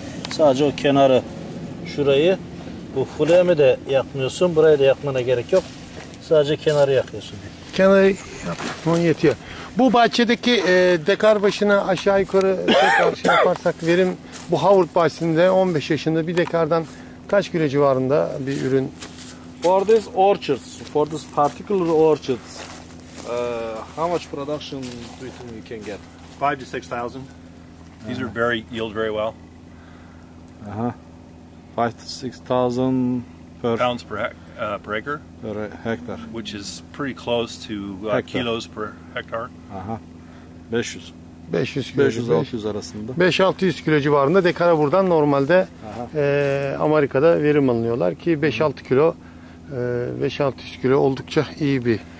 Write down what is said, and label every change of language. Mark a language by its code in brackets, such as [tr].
[tr] Sadece o kenarı, şurayı, bu phloem'i de yakmıyorsun, burayı da yakmana gerek yok. Sadece kenarı yakıyorsun. Kenarı yapmam yetiyor. Bu bahçedeki dekar başına aşağı yukarı tekrar şey yaparsak verim, bu Howard bahçesinde 15 yaşında bir dekardan kaç kilo civarında bir ürün? [en] For this orchards, for this particular orchards, how much production do you think you can get? 5,000 to 6,000. These are very yield very well. 5,000 to 6,000 per pounds per hectare. Per acre, per hectare, which is pretty close to kilos per hectare. 500. 500 [tr] kilo. 500-600 arasında. 5-600 kilo civarında dekara buradan normalde Amerika'da verim alınıyorlar ki 5-6 kilo, 5-600 kilo oldukça iyi bir.